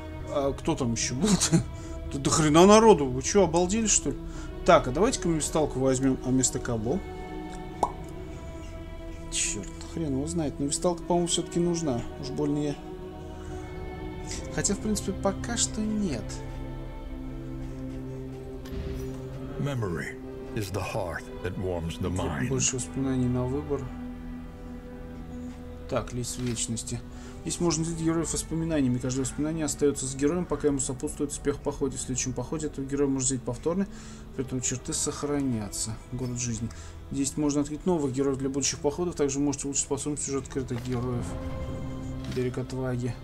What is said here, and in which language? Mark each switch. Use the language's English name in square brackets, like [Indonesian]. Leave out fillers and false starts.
[Russian] А кто там ещё был-то? Да до хрена народу. Вы чё, обалдели, что ли? Так, а давайте-ка мы висталку возьмём вместо кабо. Чёрт, хрен его знает. Но висталка, по-моему, всё-таки нужна. Уж больно я... Хотя, в принципе, пока что нет. [English] Memory is the heart that warms the mind. [Russian] Больше воспоминаний на выбор. Так, лист вечности. Здесь можно взять героев воспоминаниями. Каждое воспоминание остается с героем, пока ему сопутствует успех в походе. В следующем походе этого героя можно взять повторно, при этом черты сохранятся. Город жизни. Здесь можно открыть новых героев для будущих походов. Также можете улучшить способность уже открытых героев. Берег отваги.